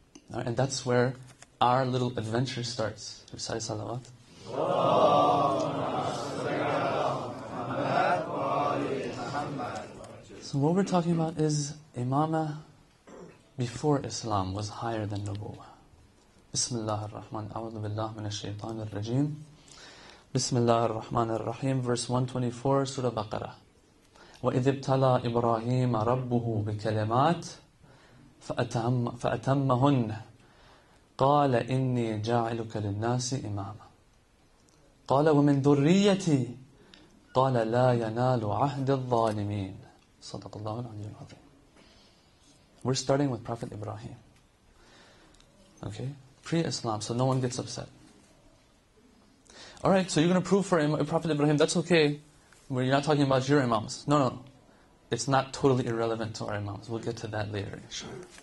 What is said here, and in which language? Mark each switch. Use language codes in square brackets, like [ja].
[en] Right, and that's where our little adventure starts. Recite Salawat. So what we're talking about is Imama before Islam was higher than Nubuwwah. [ar] بسم الله الرحمن أعوذ بالله من الشيطان الرجيم بسم الله الرحمن الرحيم [en] verse 124 [ar] سورة بقرة وإذ ابتلى إبراهيم ربه بكلمات فأتمهن قال إني جاعلك للناس إماما قال ومن ذريتي قال لا ينال عهد الظالمين صدق الله العلي العظيم. [en] We're starting with Prophet Ibrahim. Okay. Pre-Islam, so no one gets upset. Alright, so you're going to prove for Prophet Ibrahim, that's okay, but you're not talking about your imams. No, no, it's not totally irrelevant to our imams. We'll get to that later, inshallah.